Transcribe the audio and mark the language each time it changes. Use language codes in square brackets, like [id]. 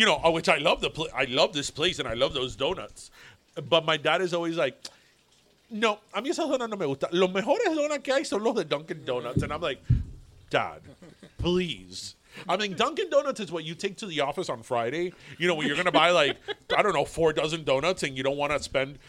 [en] Which I love I love this place and I love those donuts. [es] But my dad is always like, no, a mí esas donas no me gustan. Los mejores donas que hay son los de Dunkin' Donuts. [en] And I'm like, Dad, please. I mean, Dunkin' Donuts is what you take to the office on Friday. You know, when you're going to buy, four dozen donuts and you don't want to spend,